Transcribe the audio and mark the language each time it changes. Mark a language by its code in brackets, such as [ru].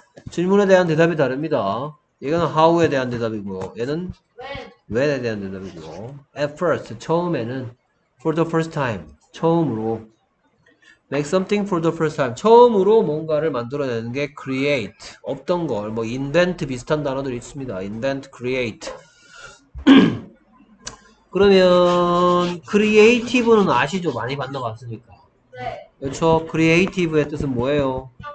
[ko] 질문에 대한 대답이 다릅니다. 이건 how에 대한 대답이고, 얘는 when에 대한 대답이고. [en] At first, [ko] 처음에는 [en] for the first time, [ko] 처음으로. [en] Make something for the first time. [ko] 처음으로 뭔가를 만들어내는 게 create. 없던 걸. 뭐 invent 비슷한 단어들이 있습니다. invent, create. 그러면 creative는 아시죠? 많이 만나봤으니까. 그렇죠? creative의 뜻은 뭐예요?